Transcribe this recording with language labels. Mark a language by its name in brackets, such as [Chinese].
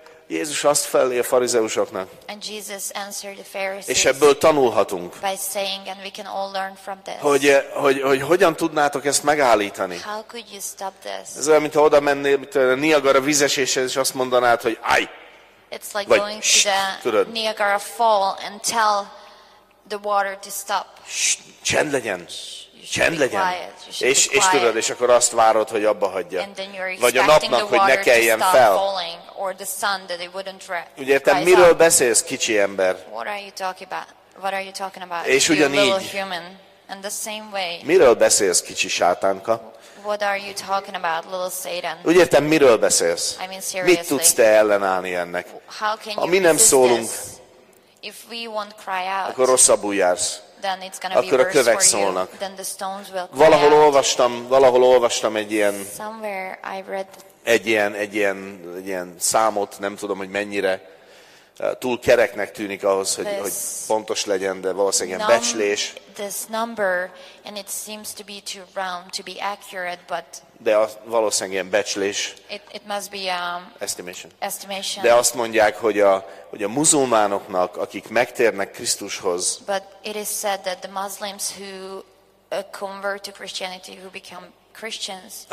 [Hungarian] Jézus azt felé a farizeusoknak. [English] And Jesus answered the Pharisees. [Hungarian] És ebből tanulhatunk. [English] By saying, and we can all learn from this. [Hungarian] Hogy hogyan tudnátok ezt megállítani? [English] How could you stop this? [Hungarian] Ez olyan, mintha oda mennél, mint a Niagara vízeséshez, és azt mondanád, hogy állj! [English] It's like [Hungarian] vagy [English] going to the Niagara fall and tell the water to stop. [Hungarian] Csend legyen. Csend legyen. És tudod, és akkor azt várod, hogy abba hagyja. [English] And then you're [Hungarian] vagy a napnak, hogy ne keljen fel. [English] Or the sun that it wouldn't rise. [Hungarian] Úgy értem, miről beszélsz, kicsi ember? [English] What are you talking about? What are you talking about? [Hungarian] És ugyanígy. [English] And the same way. [Hungarian] Miről beszélsz, kicsi sátánka? [English] What are you talking about, little Satan? [Hungarian] Úgy értem, miről beszélsz? [English] I mean, seriously. [Hungarian] Mit tudsz te ellenállni ennek? [English] How can [Hungarian] ha mi nem szólunk, [English] if we won't cry out, [Hungarian] akkor rosszabbul jársz. [English] Then it's gonna [Hungarian] akkor be a kövek szólnak. [English] Then the stones will cry out. [Hungarian] Valahol olvastam egy ilyen... [English] Somewhere I read... [Hungarian] Egy ilyen számot, nem tudom, hogy mennyire túl kereknek tűnik ahhoz, hogy pontos legyen, de valószínűleg ilyen becslés. [English] This number, and it seems to be too round to be accurate, but [Hungarian] de az valószínűleg ilyen becslés. [English] It must be estimation. [Hungarian] De azt mondják, hogy a muzulmánoknak, akik megtérnek Krisztushoz, [English] but it is said that the Muslims who convert to Christianity, who become Christians,